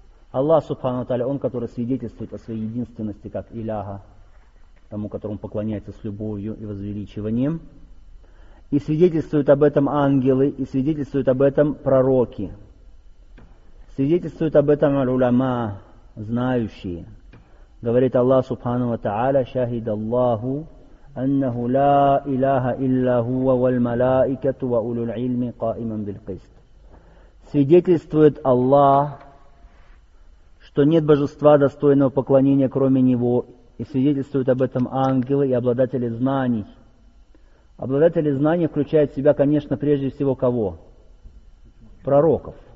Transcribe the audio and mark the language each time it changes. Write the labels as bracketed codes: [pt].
[ru] Аллах Субхану ва Тааля, Он, который свидетельствует о своей единственности как иляха, тому, которому поклоняется с любовью и возвеличиванием. И свидетельствуют об этом ангелы, и свидетельствуют об этом пророки. Свидетельствуют об этом уляма, знающие. Говорит Аллах Субхану ва Тааля, «Шахид Аллаху». [ar] أنه لا إله إلا هو والملائكة وأولو العلم قائما بالقسط. [ru] Свидетельствует Аллах, что нет божества достойного поклонения кроме Него, и свидетельствуют об этом ангелы и обладатели знаний. Обладатели знаний включают в себя, конечно, прежде всего кого? Пророков.